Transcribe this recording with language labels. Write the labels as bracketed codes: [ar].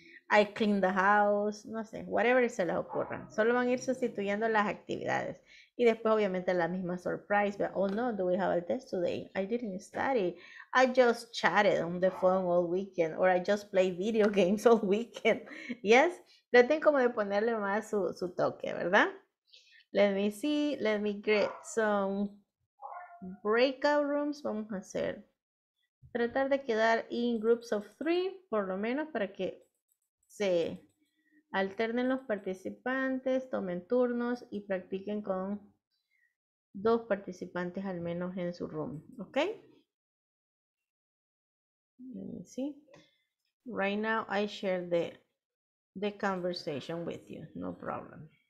[en] I clean the house, [es] no sé, [en] whatever [es] se les ocurra. Solo van a ir sustituyendo las actividades. Y después, obviamente, la misma surprise. [en] But, oh, no, do we have a test today? I didn't study. I just chatted on the phone all weekend. Or I just played video games all weekend. Yes? [es] Traten como de ponerle más su toque, ¿verdad? [en] Let me see. Let me get some breakout rooms. [es] Vamos a hacer. Tratar de quedar [en] in groups of three, [es] por lo menos, para que se alternen los participantes, tomen turnos y practiquen con dos participantes al menos en su room, ¿ok? [en] Let me see. Right now I share the conversation with you, no problem.